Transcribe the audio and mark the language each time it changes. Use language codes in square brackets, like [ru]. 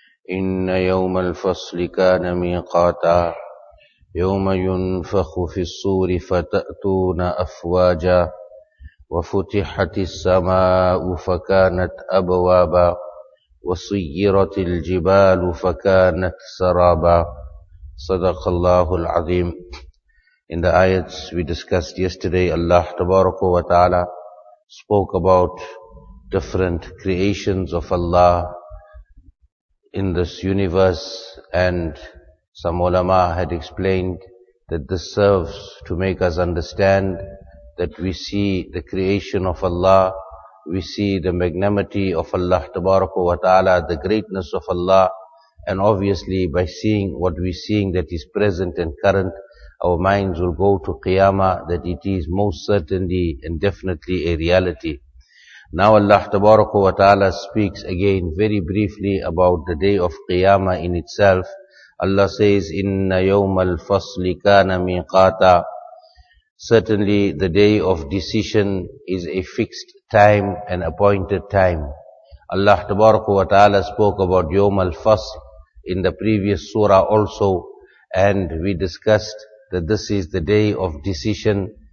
[ar] إن يوم الفصل كان ميقاتا يوم ينفخ في الصور فتأتون أفواجا وفتحت السماء فكانت أبوابا وسيرت الجبال فكانت سرابا صدق الله العظيم. [en] In the ayats we discussed yesterday, Allah [ar] تبارك وتعالى [en] spoke about different creations of Allah in this universe, and some ulama had explained that this serves to make us understand that we see the creation of Allah, we see the magnanimity of Allah tabaraka wa ta'ala, the greatness of Allah, and obviously by seeing what we're seeing that is present and current, our minds will go to Qiyamah, that it is most certainly and definitely a reality. Now Allah tabaraka wa ta'ala speaks again very briefly about the day of Qiyamah in itself. Allah says, [ar] إِنَّ يَوْمَ الْفَصْلِ كَانَ مِيقَاتًا. [en] Certainly the day of decision is a fixed time, an appointed time. Allah tabaraka wa ta'ala spoke about يَوْمَ الْفَصْلِ in the previous surah also, and we discussed that this is the day of decision.